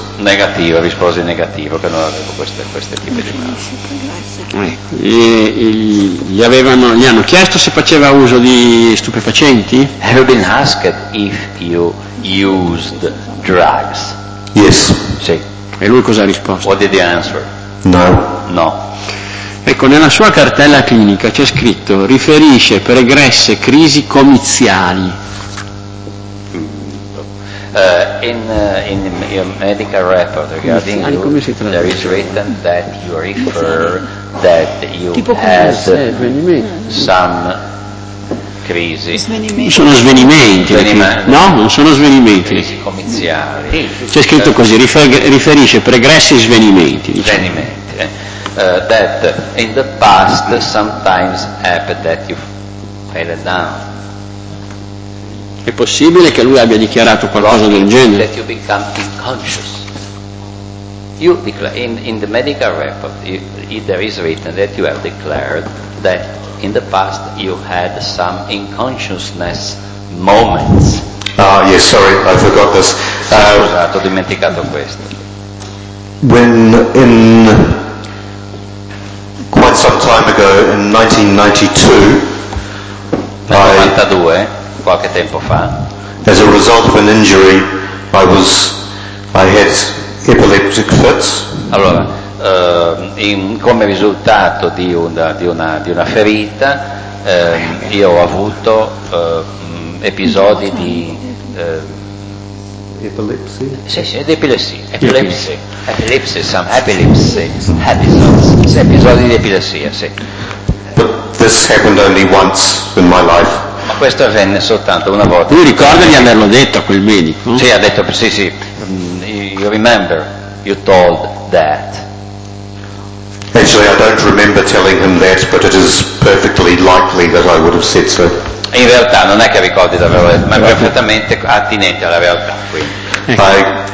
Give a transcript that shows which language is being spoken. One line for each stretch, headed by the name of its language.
Italian: Negativo, rispose negativo, che non avevo queste tipi di malattie. Gli hanno chiesto se faceva uso di stupefacenti?
English: Have you been asked if you used drugs? Yes.
Italian: Sì. E lui cosa ha risposto?
English: What did he answer? No.
Italian: Ecco, nella sua cartella clinica c'è scritto: riferisce pregresse crisi comiziali.
English: In your medical report regarding there is written that you refer that you had some crisi.
Italian: Non sono svenimenti. Crisi comiziali. C'è scritto così, riferisce pregressi svenimenti. Diciamo. Svenimenti.
English: That in the past sometimes happened that you fell down.
Italian: È possibile che lui abbia dichiarato qualcosa del genere?
English: That you become unconscious. You declare in the medical report there is written that you have declared that in the past you had some unconsciousness moments. Ah, yes, sorry, I forgot this.
Italian: Ho dimenticato questo.
English: When in quite some time ago in 1992.
Italian: Qualche tempo fa.
English: As a result of an injury, I had epileptic fits.
Italian: Allora, come risultato di una ferita, io ho avuto episodi di episodi di epilessia, sì.
English: But this happened only once in my life.
Italian: Questo avvenne soltanto una volta. Lui ricorda di averlo detto a quel medico? Sì, ha detto, sì.
English: You remember, you told that. Actually, I don't remember telling him that, but it is perfectly likely that I would have said so.
Italian: In realtà, non è che ricordi di averlo detto, ma è perfettamente attinente alla realtà, quindi.